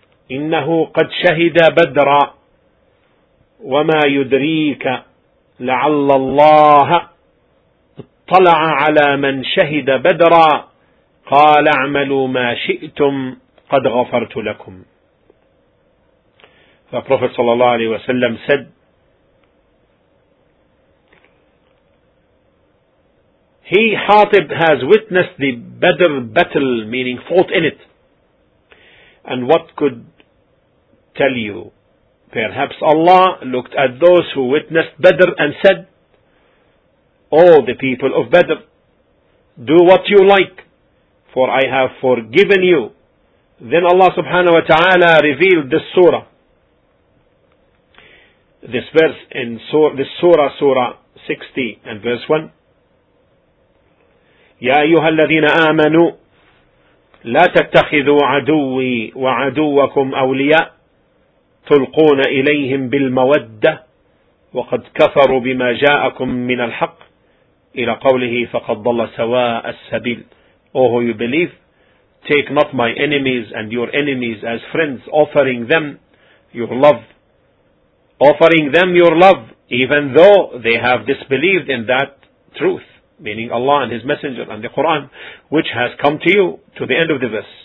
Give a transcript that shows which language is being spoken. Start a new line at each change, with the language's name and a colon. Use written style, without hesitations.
Arabic: إنه قد شهد بدرا وما يدريك لعل الله اطلع على من شهد بدرا قال اعملوا ما شئتم قد غفرت لكم.
English: The Prophet صلى الله عليه وسلم said, He, Hatib, has witnessed the Badr battle, meaning fought in it. And what could tell you, perhaps Allah looked at those who witnessed Badr and said, all the people of Badr, do what you like, for I have forgiven you. Then Allah subhanahu wa ta'ala revealed this surah, this verse in this surah, surah 60 and verse 1.
Arabic: يَا أَيُّهَا الَّذِينَ آمَنُوا لَا تَتَّخِذُوا عَدُوِّي وَعَدُوَّكُمْ أَوْلِيَاءَ تلقون إليهم بالمودة وقد كفروا بما جاءكم من الحق إلى قوله فقد ضل سواء السبيل.
English: Oh, who you believe, take not my enemies and your enemies as friends, offering them your love, offering them your love, even though they have disbelieved in that truth, meaning Allah and His Messenger and the Quran, which has come to you, to the end of the verse.